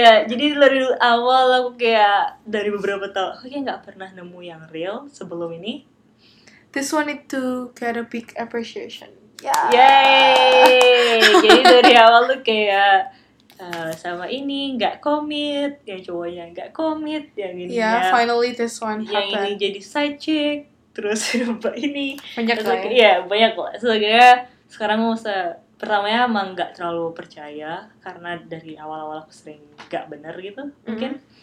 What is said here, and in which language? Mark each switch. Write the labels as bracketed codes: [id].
[id] jadi dari awal aku kayak dari beberapa tahun aku kayak nggak pernah nemu yang real sebelum ini. [en] This one need to get a big appreciation. Yeay. [id] Jadi dari awal lu kayak sama ini nggak komit, yang cowoknya nggak komit, yang ini [en] ya finally this one [id] yang [en] happen. [id] Ini jadi side chick, terus ini banyak terus, lah ya. Ya banyak lah. Sebenarnya sekarang gue se pertamanya emang nggak terlalu percaya karena dari awal-awal aku sering nggak bener gitu mungkin.